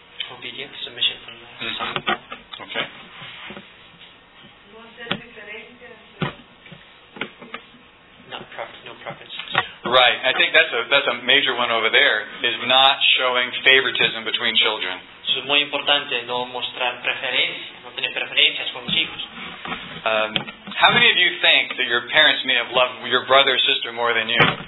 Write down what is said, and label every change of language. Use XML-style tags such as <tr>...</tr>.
<en>Obedience, submission from the son. Okay.</en> <es>No hacer diferencias.</es> <en>No preference. Right. I think that's a major one over there, is not showing favoritism between children.</en> <es>Eso es muy importante, no mostrar preferencia, no tener preferencias con los hijos.</es> <en>How many of you think that your parents may have loved your brother or sister more than you?</en>